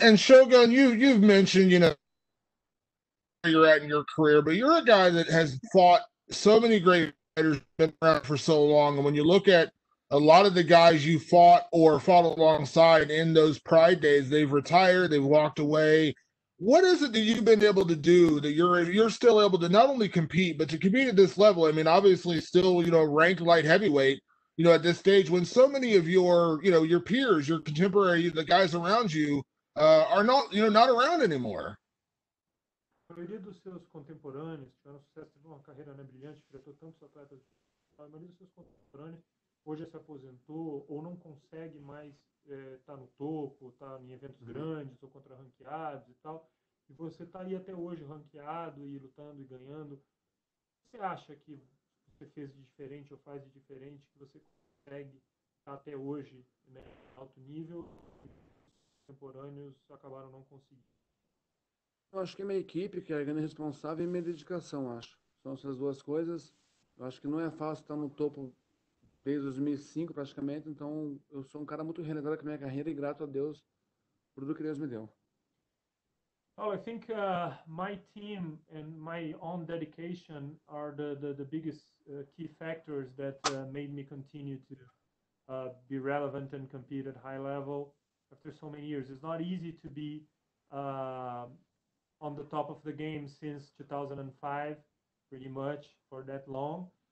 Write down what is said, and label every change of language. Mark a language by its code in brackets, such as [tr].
[en] And Shogun, you've mentioned, you know, where you're at in your career, but you're a guy that has fought so many great fighters, been around for so long, and when you look at a lot of the guys you fought or fought alongside in those Pride days, they've retired, they've walked away. What is it that you've been able to do that you're still able to not only compete, but to compete at this level? I mean, obviously still, you know, ranked light heavyweight, you know, at this stage, when so many of your, you know, your peers, your contemporary, the guys around you, are not, you know, not around anymore. [pt] A maioria dos seus contemporâneos tiveram sucesso, teve uma carreira, né, brilhante, enfrentou tantos atletas. A maioria dos seus contemporâneos hoje se aposentou ou não consegue mais estar no topo, estar em eventos grandes ou contra ranqueados e tal. E você está aí até hoje ranqueado e lutando e ganhando. Você acha que você fez de diferente ou faz de diferente que você consegue estar até hoje, né, alto nível e os contemporâneos acabaram não conseguindo? Eu acho que é minha equipe, que é a grande responsável, e minha dedicação, acho. São essas duas coisas. Eu acho que não é fácil estar no topo desde 2005, praticamente. Então, eu sou um cara muito realizado com a minha carreira e grato a Deus por tudo que Deus me deu. [en] Oh, I think my team and my own dedication are the biggest key factors that made me continue to be relevant and compete at high level after so many years. It's not easy to be on the top of the game since 2005, pretty much for that long.